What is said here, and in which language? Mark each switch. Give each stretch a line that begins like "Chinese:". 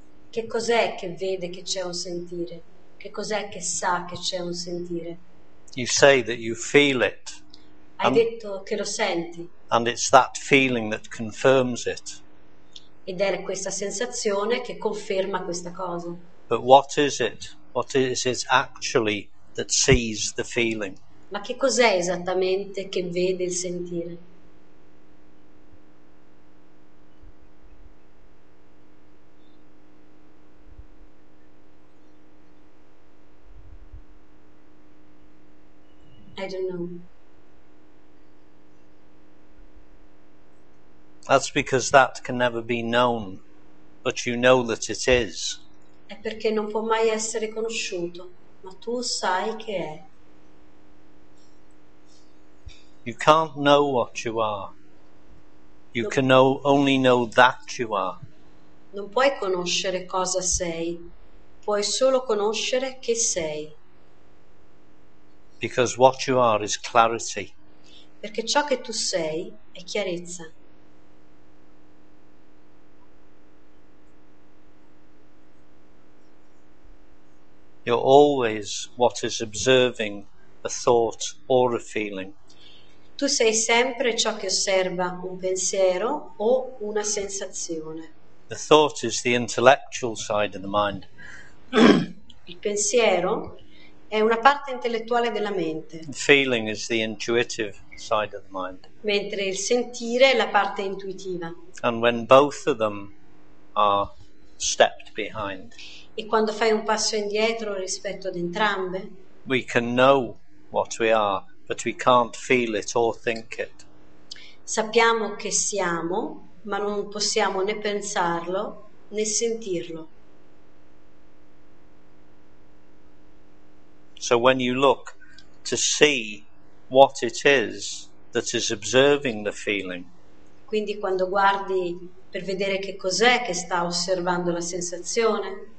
Italian: Che cos'è che vede che c'è un sentire? Che cos'è che sa che c'è un sentire?
English: You say that you feel it.
Italian: Hai detto che lo senti.
English: And it's that feeling that confirms it.
Italian: Ed è questa sensazione che conferma questa cosa.
English: But what is it? What is it actually that sees the feeling?
Italian: Ma che cos'è esattamente che vede il sentire?
English: I don't know. That's because that can never be known, but you know that it is.
Italian: È perché non può mai essere conosciuto, ma tu sai che è.
English: You can't know what you are. You can know only know that you are.
Italian: Non puoi conoscere cosa sei, puoi solo conoscere che sei.
English: Because what you are is clarity.
Italian: Perché ciò che tu sei è chiarezza.
English: You're always what is observing a thought or a feeling.
Italian: Tu sei sempre ciò che osserva un pensiero o una sensazione.
English: The thought is the intellectual side of the mind.
Italian: Il pensiero è una parte intellettuale della mente.
English: Feeling is the intuitive side of the mind.
Italian: Mentre il sentire è la parte intuitiva.
English: And when both of them are stepped behind.
Italian: E quando fai un passo indietro rispetto ad entrambe?
English: We can know what we are, but we can't feel it or think it.
Italian: Sappiamo che siamo, ma non possiamo né pensarlo né sentirlo.
English: So when you look to see what it is that is observing the feeling.
Italian: Quindi quando guardi per vedere che cos'è che sta osservando la sensazione.